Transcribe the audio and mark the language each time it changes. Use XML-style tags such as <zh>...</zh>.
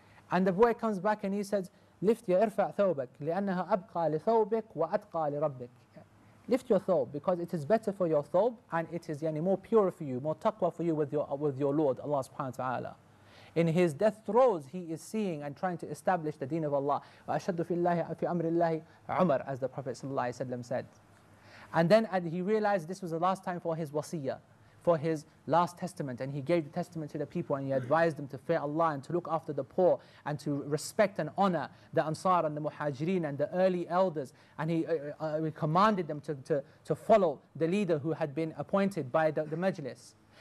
<en>And the boy comes back and he says, "Lift your</en> <ar>irfa thobek, li'annaha abqa li thobek wa atqa li rabbik."</ar> <en>Lift your thobe, because it is better for your thobe, and it is more pure for you, more taqwa for you with your Lord, Allah subhanahu wa ta'ala. In his death throes, he is seeing and trying to establish the deen of Allah.</en> <ar>وَأَشَدُّ فِي اللَّهِ فِي أَمْرِ اللَّهِ عُمَرَ, as the Prophet ﷺ said.</ar> <en>And then he realized this was the last time for his wasiyah, for his last testament. And he gave the testament to the people and he advised them to fear Allah and to look after the poor and to respect and honor the Ansar and the Muhajireen and the early elders. And he commanded them to follow the leader who had been appointed by the majlis.</en>